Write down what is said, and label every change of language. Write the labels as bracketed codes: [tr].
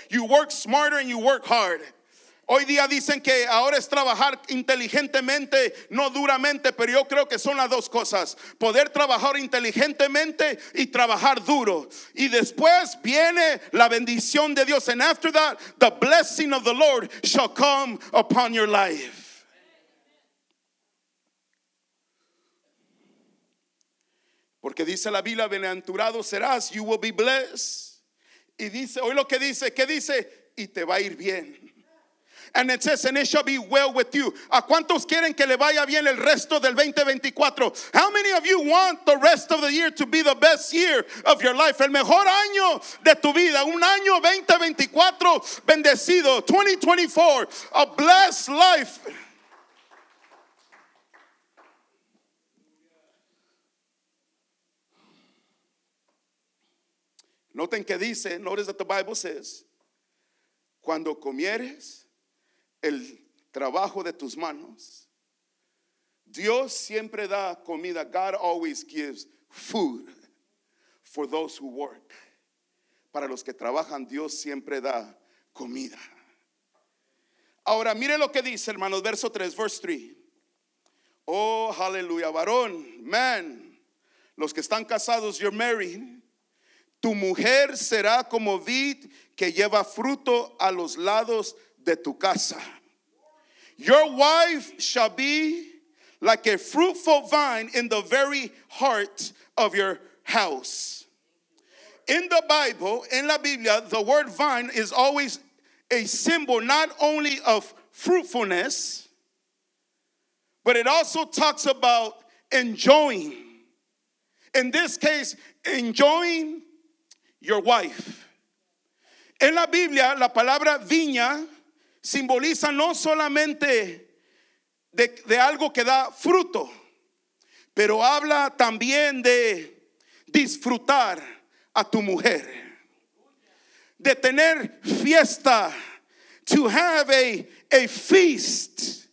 [en] You work smarter and you work hard. [es] Hoy día dicen que ahora es trabajar inteligentemente, no duramente, pero yo creo que son las dos cosas. Poder trabajar inteligentemente y trabajar duro. Y después viene la bendición de Dios. [en] And after that, the blessing of the Lord shall come upon your life. [es] Porque dice la Biblia, bienaventurado serás, [en] you will be blessed. [es] Y dice, oye lo que dice, ¿qué dice? Y te va a ir bien. [en] And it says, and it shall be well with you. [es] ¿A cuántos quieren que le vaya bien el resto del 2024? [en] How many of you want the rest of the year to be the best year of your life? [es] El mejor año de tu vida, un año 2024 bendecido, 2024, [en] a blessed life. [es] Noten que dice, [en] notice that the Bible says, [es] cuando comieres el trabajo de tus manos. Dios siempre da comida. [en] God always gives food for those who work. [es] Para los que trabajan, Dios siempre da comida. Ahora mire lo que dice, hermanos, verso 3, [en] verse 3. [es] Oh, hallelujah, varón, man, los que están casados, [en] you're married. [es] Tu mujer será como vid que lleva fruto a los lados de tu casa. [en] Your wife shall be like a fruitful vine in the very heart of your house. In the Bible, in [es] la Biblia, [en] the word vine is always a symbol not only of fruitfulness, but it also talks about enjoying. In this case, enjoying your wife. [es] En la Biblia, la palabra viña simboliza no solamente de algo que da fruto, pero habla también de disfrutar a tu mujer, de tener fiesta, [en] to have a feast.